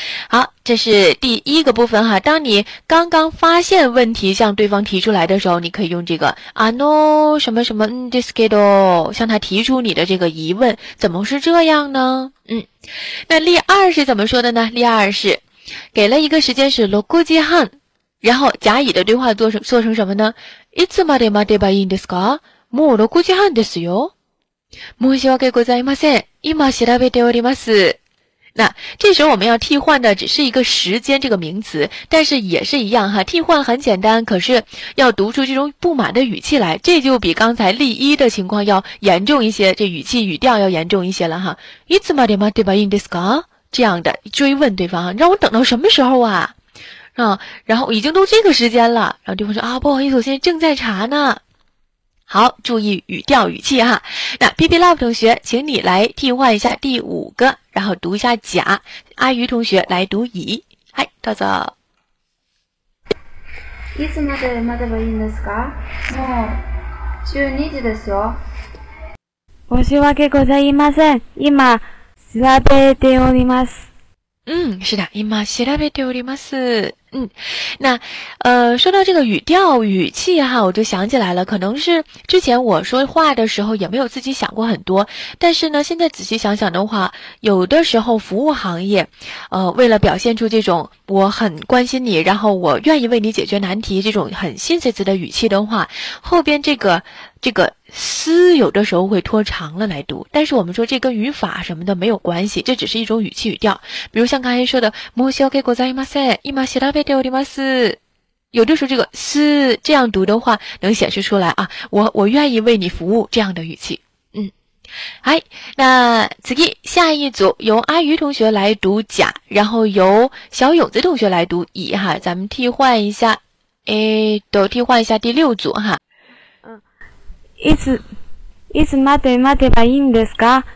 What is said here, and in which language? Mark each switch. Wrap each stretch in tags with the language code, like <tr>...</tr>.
<zh>好，这是第一个部分哈。当你刚刚发现问题向对方提出来的时候，你可以用这个あの什么什么ですけど，向他提出你的这个疑问，怎么是这样呢？那例二是怎么说的呢？例二是给了一个时间是六時半。然后甲乙的对话做成什么呢？</zh> <ja>いつまで待てばいいんですか？もう6時半ですよ。申し訳ございません。今調べております。</ja> <zh>那这时候我们要替换的只是一个时间这个名词，但是也是一样哈，替换很简单，可是要读出这种不满的语气来，这就比刚才例一的情况要严重一些，这语气语调要严重一些了哈。</zh> <ja>いつまで待てばいいんですか？</ja> <zh>这样的追问对方，让我等到什么时候啊？然后已经都这个时间了，然后对方说啊，不好意思，我现在正在查呢。好，注意语调语气哈。那 BB Love 同学，请你来替换一下第五个，然后读一下甲。阿鱼同学来读乙。嗨，豆子。</zh> <ja>いつまで待てばいいんですか？もう12時ですよ。申し訳ございません。今調べております。是的，今調べております。</ja> <zh>那说到这个语调语气哈，我就想起来了，可能是之前我说话的时候也没有自己想过很多，但是呢现在仔细想想的话，有的时候服务行业为了表现出这种我很关心你，然后我愿意为你解决难题，这种很亲切的语气的话，后边这个思有的时候会拖长了来读，但是我们说这跟语法什么的没有关系，这只是一种语气语调。比如像刚才说的</zh> <ja>申し訳ございません、今調べております。</ja> <zh>有的时候这个思这样读的话能显示出来啊，我愿意为你服务，这样的语气。嗨，那次下一组由阿鱼同学来读甲，然后由小勇子同学来读乙哈，咱们替换一下，替换一下第六组哈。</zh> <ja>いつ待てばいいんですか？</ja>